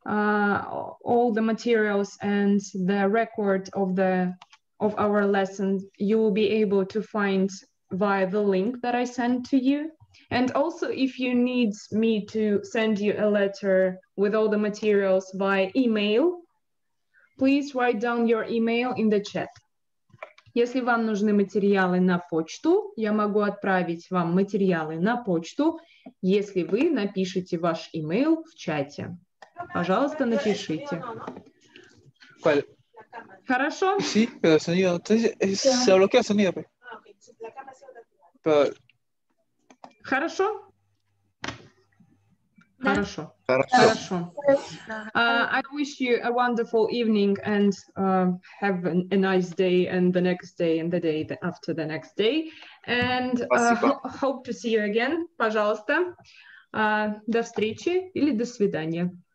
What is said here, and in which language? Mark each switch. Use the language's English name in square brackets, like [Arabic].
[English] All the materials and the record of our lesson, you will be able to find via the link that I sent to you. And also, if you need me to send you a letter with all the materials via email, please write down your email in the chat. [Russian] Если вам нужны материалы на почту, я могу отправить вам материалы на почту, если вы напишите ваш email в чате. Пожалуйста, напишите. [Spanish] ¿Cuál? [Russian] Хорошо. [Spanish] Sí, pero el sonido. Entonces, se bloquea el sonido. Pero... [Russian] Хорошо? Хорошо. Хорошо. Хорошо. [English] I wish you a wonderful evening and have a nice day and the next day and the day after the next day. And hope to see you again. [Russian] Пожалуйста. До встречи или до свидания.